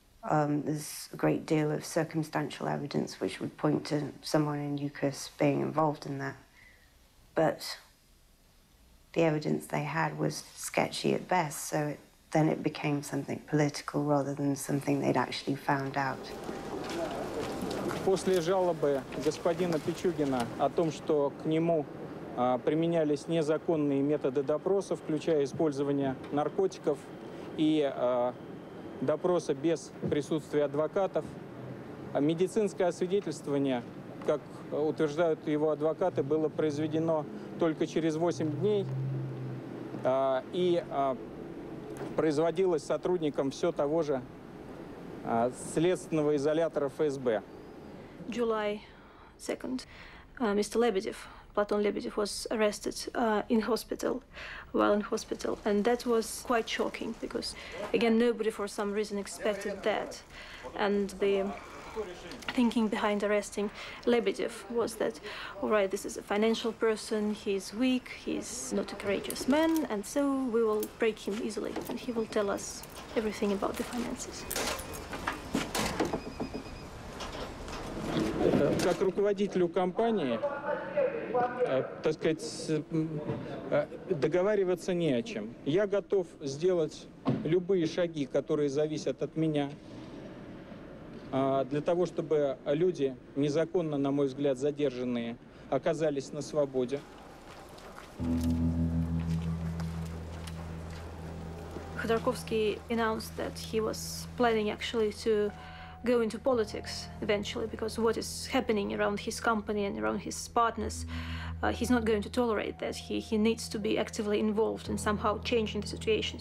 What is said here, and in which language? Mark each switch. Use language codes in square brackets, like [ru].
[en] There's a great deal of circumstantial evidence which would point to someone in UCAS being involved in that. But the evidence they had was sketchy at best, so then it became something political rather than something they'd actually found out. [ru] После жалобы господина Пичугина о том, что к нему применялись незаконные методы допроса, включая использование наркотиков и допроса без присутствия адвокатов, медицинское освидетельствование, как утверждают его адвокаты, было произведено только через 8 дней и производилось сотрудником все того же следственного изолятора ФСБ. [en] July 2nd, Mr. Lebedev, Platon Lebedev, was arrested while in hospital. And that was quite shocking because, again, nobody for some reason expected that. And the thinking behind arresting Lebedev was that, all right, this is a financial person, he's weak, he's not a courageous man, and so we will break him easily and he will tell us everything about the finances. [ru] Как руководителю компании, так сказать, договариваться не о чем. Я готов сделать любые шаги, которые зависят от меня, для того, чтобы люди, незаконно, на мой взгляд, задержанные, оказались на свободе. [en] Khodorkovsky announced that he was planning actually to go into politics eventually, because what is happening around his company and around his partners, he's not going to tolerate that. He needs to be actively involved in somehow changing the situation.